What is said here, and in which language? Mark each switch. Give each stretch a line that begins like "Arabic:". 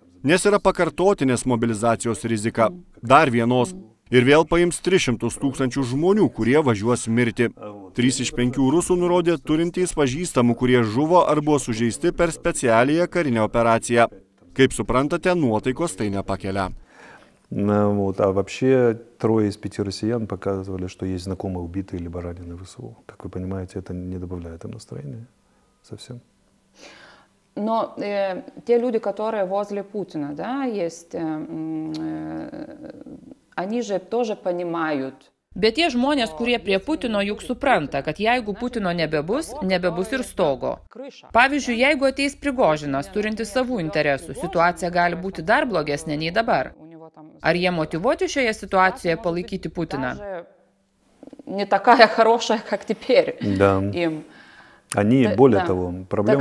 Lithuanian: Nes yra pakartotinės mobilizacijos rizika. Dar vienos. Ir vėl paims 300 tūkstančių žmonių, kurie važiuos mirti. 3 iš 5 rusų nurodė turintys pažįstamų, kurie žuvo ar buvo sužeisti per specialią karinę operaciją. Kaip suprantate, nuotaikos tai nepakelia.
Russian: Na, вот, а вообще трое из пяти россиян показывали, что есть знакомые убитые либо раненые в СВО. Как вы понимаете, это не добавляет им настроения совсем. Но те люди, которые возле Путина, да, есть, они же тоже понимают.
Lithuanian: Bet tie žmonės, kurie prie Putino, juk supranta, kad jeigu Putino nebebus, nebebus ir stogo. Pavyzdžiui, jeigu ateis Prigožinas, turintis savų interesų, situacija gali būti dar blogesnė nei dabar. Ar jie motivuoti šioje situacijoje palaikyti Putiną?
Russian: Не такая хорошая, как теперь. Да. Им. Они более того, проблема.